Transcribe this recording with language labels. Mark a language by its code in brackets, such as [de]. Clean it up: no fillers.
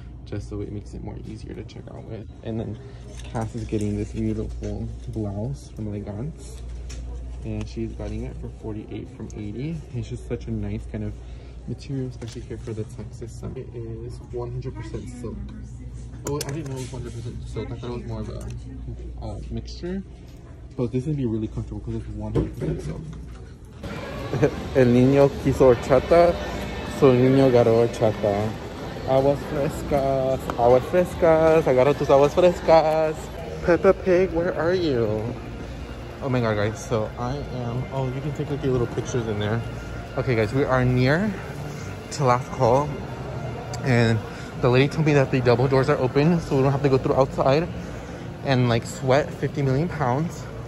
[en] just so it makes it more easier to check out with. And then Cass is getting this beautiful blouse from Elegance, and she's getting it for 48 from 80. It's just such a nice kind of material, especially here for the Texas sun. It is 100% silk. Oh, I didn't know it was 100% silk. I thought it was more of a mixture. But this would be really comfortable because it's 100% silk. [es] El niño quiso horchata, so el niño agarró horchata. Aguas frescas, aguas frescas, agarra tus aguas frescas. [en] Peppa Pig, where are you? Oh my god, guys, so I am, oh, you can take like your little pictures in there. Okay, guys, we are near to last call, and the lady told me that the double doors are open, so we don't have to go through outside and like sweat 50 million pounds.